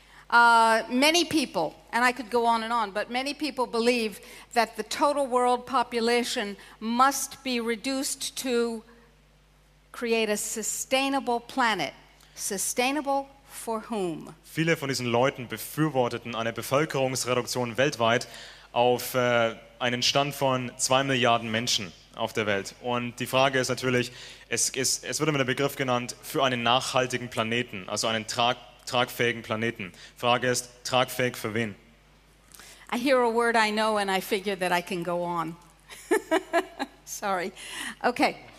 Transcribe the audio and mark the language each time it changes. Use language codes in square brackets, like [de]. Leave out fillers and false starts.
[en] Many people, and I could go on and on, but many people believe that the total world population must be reduced to create a sustainable planet. Sustainable for whom? [de] Viele von diesen Leuten befürworteten eine Bevölkerungsreduktion weltweit auf einen Stand von 2 Milliarden Menschen auf der Welt. Und die Frage ist natürlich, es wird immer der Begriff genannt für einen nachhaltigen Planeten, also einen tragfähigen Planeten. Frage ist, tragfähig für wen? [en] I hear a word I know and I figure that I can go on. Sorry. Okay.